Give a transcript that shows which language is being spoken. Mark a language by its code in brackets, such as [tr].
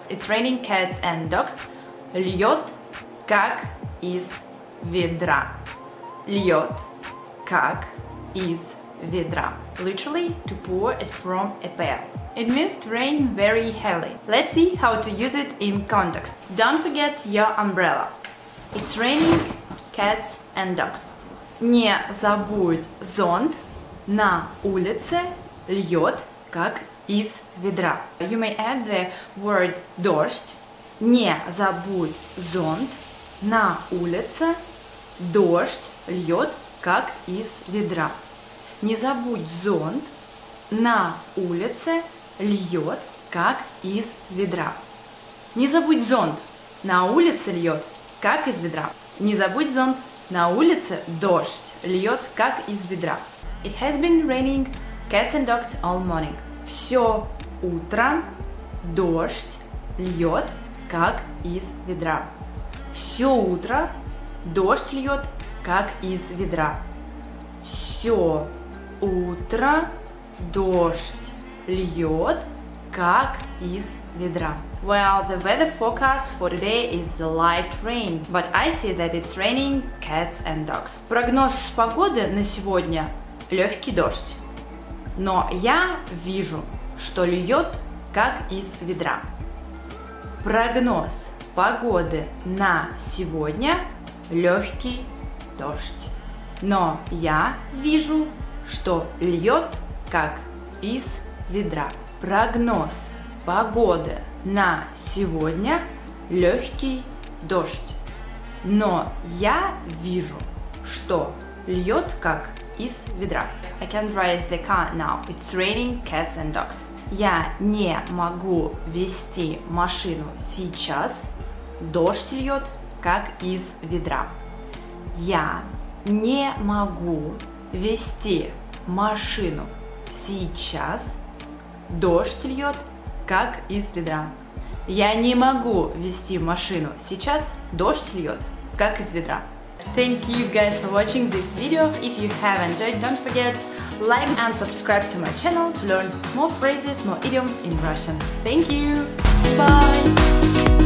[en] It's raining cats and dogs. [ru] Льёт как из ведра. Льёт как из ведра. [en] Literally, to pour is from a pail. It means to rain very heavily. Let's see how to use it in context. Don't forget your umbrella. It's raining cats and dogs. [ru] Не забудь зонт, на улице льёт как из ведра. [en] You may add the word дождь. [ru] Не забудь зонт, на улице дождь льёт как из ведра. Не забудь зонт, на улице льёт как из ведра. Не забудь зонт, на улице льёт как из ведра. Не забудь зонт. На улице дождь льет, как из ведра. [en] It has been raining cats and dogs all morning. [ru] Все утро дождь льет, как из ведра. Все утро дождь льет, как из ведра. Все утро дождь льет, как из ведра. [en] Well, the weather forecast for today is light rain, but I see that it's raining cats and dogs. [ru] Прогноз погоды на сегодня – легкий дождь. Но я вижу, что льет, как из ведра. Прогноз погоды на сегодня – легкий дождь. Но я вижу, что льет, как из ведра. Прогноз погоды на сегодня легкий дождь, но я вижу, что льет как из ведра. [en] I can't drive the car now. It's raining cats and dogs. [ru] Я не могу вести машину сейчас. Дождь льет как из ведра. Я не могу вести машину сейчас. Дождь льет как из ведра. Я не могу вести машину сейчас. Дождь льет, как из ведра. [en] Thank you guys for watching this video. If you have enjoyed, don't forget like and subscribe to my channel to learn more phrases, more idioms in Russian. Thank you. Bye.